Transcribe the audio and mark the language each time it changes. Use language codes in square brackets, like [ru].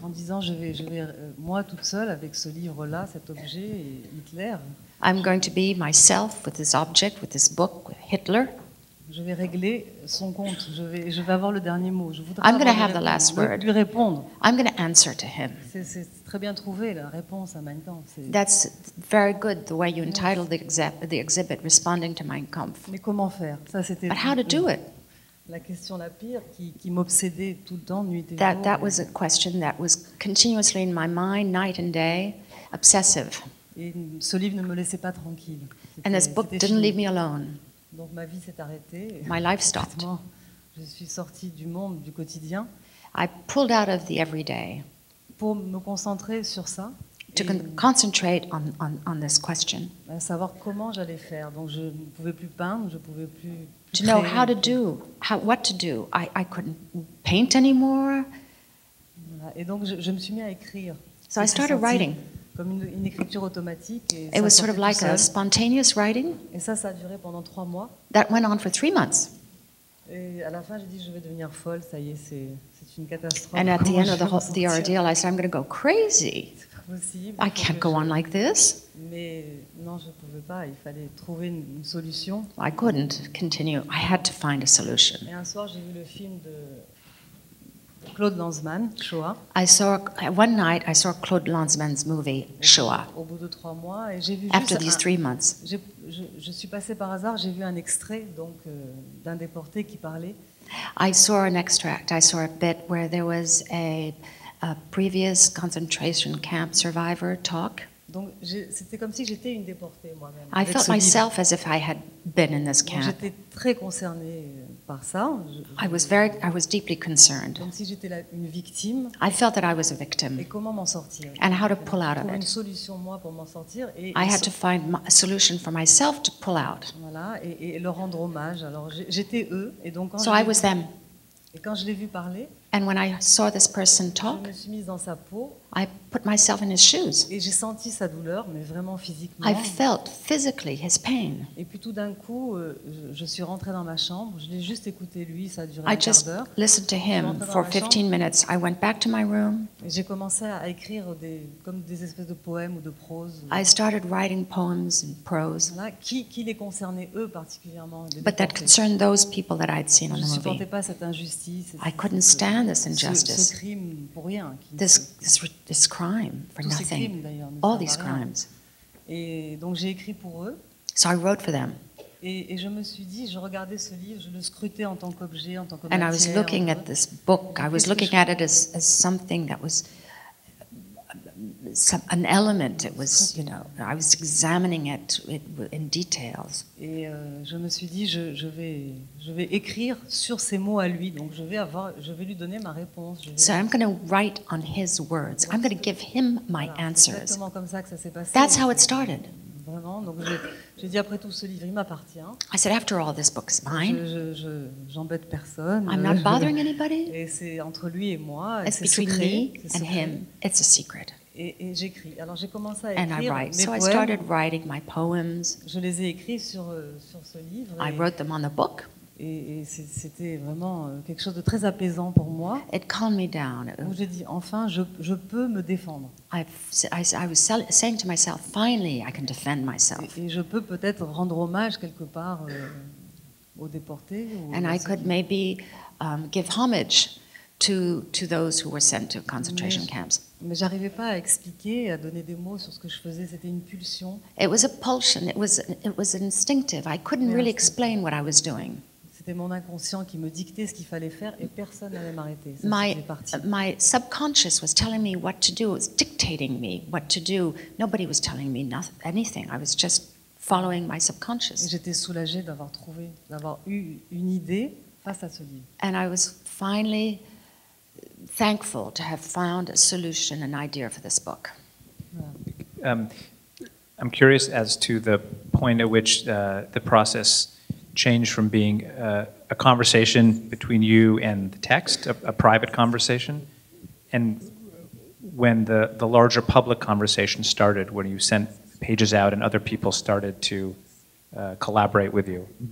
[fr] En disant, je vais moi toute seule avec ce livre-là, cet objet, et Hitler. [en] I'm going to be myself with this object, with this book, with Hitler. [fr] Je vais régler son compte. Je vais avoir le dernier mot. Je voudrais [en] I'm going to have the last word. [fr] Lui répondre. [en] I'm going to answer to him. [fr] C'est très bien trouvé la réponse à Mein Kampf. [en] That's very good the way you entitled the exhibit responding to Mein Kampf. [fr] Mais comment faire? Ça c'était. [en] But how to do it? [fr] La question la pire qui m'obsédait tout le temps nuit et jour. [en] That was a question that was continuously in my mind night and day, obsessive. [fr] Et ce livre ne me laissait pas tranquille. [en] And this book didn't leave me alone. [fr] Donc ma vie s'est arrêtée. [en] My life stopped. [fr] Moi, je suis sortie du monde du quotidien. [en] I pulled out of the everyday. [fr] Pour me concentrer sur ça. [en] To concentrate on this question. [fr] À savoir comment j'allais faire. Donc je ne pouvais plus peindre, je ne pouvais plus. To créer. [en] Know how to do, how, what to do. I couldn't paint anymore. [fr] Voilà. Et donc je me suis mis à écrire. [en] So I started writing. [fr] Comme une écriture automatique. Et [en] it was sort of like [fr] seul. [en] A spontaneous writing. [fr] Et ça a duré pendant 3 mois. [en] That went on for 3 months. [fr] Et à la fin, j'ai dit, je vais devenir folle. Ça y est, c'est une catastrophe. [en] And at the end of the ordeal, I said, I'm going to go crazy. [fr] Possible, [en] I can't go on like this. [fr] Mais non, je pouvais pas. Il fallait trouver une solution. [en] I couldn't continue. I had to find a solution. [fr] Et un soir, j'ai vu le film Claude Lanzmann, Shoah. [en] One night I saw Claude Lanzmann's movie Shoah. [fr] Au bout de trois mois, et j'ai vu. [en] After these 3 months. [fr] Je suis passée par hasard, j'ai vu un extrait donc d'un déporté qui parlait. [en] I saw an extract. I saw a bit where there was a previous concentration camp survivor talk. [fr] Donc c'était comme si j'étais une déportée moi-même. [en] I felt myself as if I had been in this camp. [fr] J'étais très concernée par ça. [en] I was deeply concerned. [fr] Comme si j'étais une victime. [en] I felt that I was a victim. [fr] Et comment m'en sortir? [en] And how to pull out of it? [fr] Trouver une solution moi pour m'en sortir. [en] I had to find a solution for myself to pull out. [fr] Voilà, et leur rendre hommage. Alors j'étais eux, et donc quand. [en] So I was them. [fr] Et quand je l'ai vu parler. [en] And when I saw this person talk, [fr] je me suis mise dans sa peau, [en] I put myself in his shoes. [fr] Et j'ai senti sa douleur, mais vraiment physiquement. [en] I felt physically his pain. [fr] Et puis tout d'un coup, je suis rentrée dans ma chambre. Je l'ai juste écouté lui, ça a duré un quart d'heure. [en] I just listened to him for 15 minutes. I went back to my room. [fr] Et j'ai commencé à écrire des espèces de poèmes ou de prose. [en] I started writing poems and prose. [fr] Voilà. Qui les concernait eux particulièrement? [en] But that concerned those people that I'd seen on the movie. [fr] Je ne supportais pas cette injustice. [en] I couldn't stand this injustice. [fr] Ce crime pour rien. [en] This crime for nothing. All these crimes. [fr] Et donc j'ai écrit pour eux. [en] So I wrote for them. [fr] Et je me suis dit, je regardais ce livre, je le scrutais en tant qu'objet, en tant que. [en] And I was looking at this book. I was looking at it as something that was an element. It was, you know, I was examining it in details. [fr] Et je me suis dit, je vais écrire sur ces mots à lui. Donc je vais lui donner ma réponse. [en] So I'm going to write on his words. I'm going to give him my answers. [fr] C'est exactement comme ça que ça s'est passé. [en] That's how it started. [fr] Vraiment. Donc j'ai dit, après tout ce livre, il m'appartient. [en] I said, after all, this book is mine. [fr] Je j'embête personne. [en] I'm not bothering anybody. [fr] Et c'est entre lui et moi. [en] It's between me and him. It's a secret. [fr] Et j'écris. Alors j'ai commencé à écrire mes poèmes. [en] So I started writing my poems. [fr] Je les ai écrits sur ce livre. [en] I wrote them on the book. [fr] Et c'était vraiment quelque chose de très apaisant pour moi. [en] It calmed me down. [fr] Où j'ai dit, enfin, je peux me défendre. [en] I was saying to myself, finally, I can defend myself. [fr] Et je peux peut-être rendre hommage quelque part aux déportés. [en] And I could maybe give homage to those who were sent to concentration camps. [fr] Mais j'arrivais pas à expliquer, à donner des mots sur ce que je faisais. C'était une pulsion. [en] It was a pulsion. It was instinctive. I couldn't really explain what I was doing. [fr] C'était mon inconscient qui me dictait ce qu'il fallait faire et personne n'allait m'arrêter. Ça, [en] my subconscious was telling me what to do. It was dictating me what to do. Nobody was telling me anything. I was just following my subconscious. Et j'étais soulagée d'avoir eu une idée face à ce livre. And I was finally thankful to have found a solution, an idea for this book. I'm curious as to the point at which the process changed from being a conversation between you and the text, a private conversation, and when the larger public conversation started, when you sent pages out and other people started to collaborate with you.